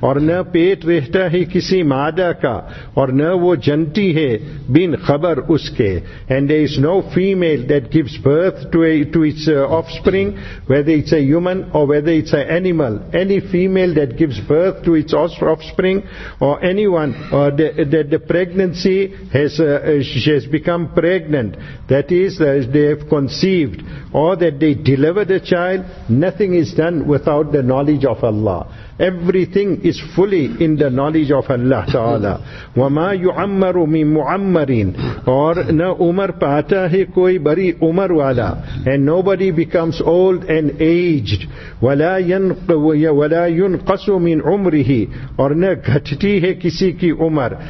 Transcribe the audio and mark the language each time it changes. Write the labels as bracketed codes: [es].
[ur] اور نہ پیٹ رہتا ہے کسی مادہ کا اور نہ وہ جنتی ہے بن خبر اس کے. [en] And there is no female that gives birth to its offspring, whether it's a human or whether it's an animal. Any female that gives birth to its offspring or anyone that the pregnancy has become pregnant, that is, they have conceived, or that they delivered a child, nothing is done without the knowledge of Allah. Everything is fully in the knowledge of Allah Ta'ala. [ar] وَمَا يُعَمَّرُ مِن مُعَمَّرِينَ. [ur] اور نہ عمر پاتا ہے کوئی بری عمر والا. [en] And nobody becomes old and aged. [ar] وَلَا يُنْقَسُ مِن عُمْرِهِ. [ur] اور نہ گھٹتی ہے کسی کی عمر.